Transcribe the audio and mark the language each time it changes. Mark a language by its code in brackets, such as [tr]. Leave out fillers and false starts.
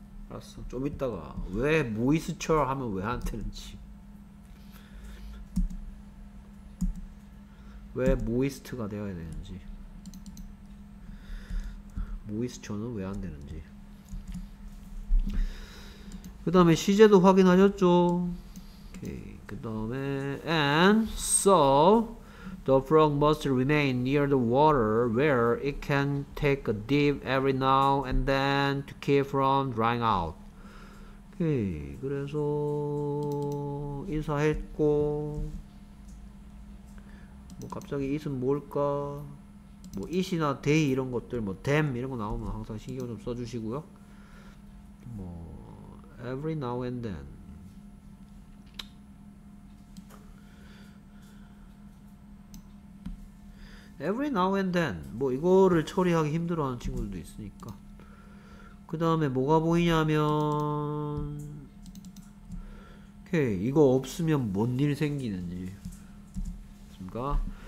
[ko] 알았어 좀 이따가 왜 moisture 하면 왜 안 되는지. 왜 모이스트가 되어야 되는지 모이스처는 왜 안 되는지 그 다음에 시제도 확인하셨죠? [en] 그 다음에 and so the frog must remain near the water where it can take a dip every now and then to keep from drying out. [ko] 오케이. 그래서 인사했고 뭐 갑자기 it은 뭘까? 뭐 it이나 they 이런 것들 뭐 them 이런 거 나오면 항상 신경 좀 써주시고요. 뭐 every now and then 뭐 이거를 처리하기 힘들어하는 친구들도 있으니까 그 다음에 뭐가 보이냐면 오케이 이거 없으면 뭔 일 생기는지 됐습니까?